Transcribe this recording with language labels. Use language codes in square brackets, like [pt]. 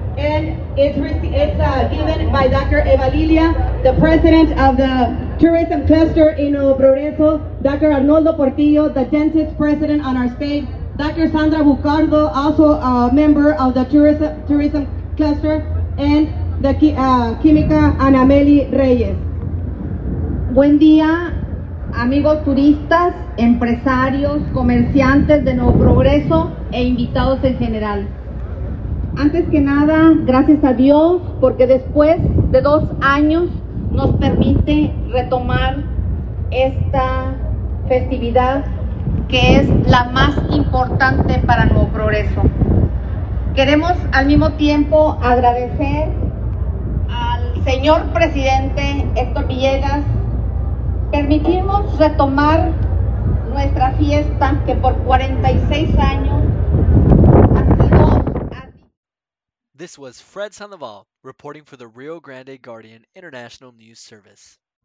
[en] And it's given by Dr. Eva Lilia, the president of the tourism cluster in Nuevo Progreso, Dr. Arnoldo Portillo, the dentist president on our state, Dr. Sandra Bucardo, also a member of the tourism cluster, and the química Anameli Reyes. [es] Buen día, amigos turistas, empresarios, comerciantes de Nuevo Progreso e invitados en general. Antes que nada, gracias a Dios, porque después de 2 años nos permite retomar esta festividad que es la más importante para Nuevo Progreso. Queremos al mismo tiempo agradecer al señor presidente Héctor Villegas, permitimos retomar nuestra fiesta que por 46 años ha sido. [en] This was Fred Sandoval reporting for the Rio Grande Guardian International News Service.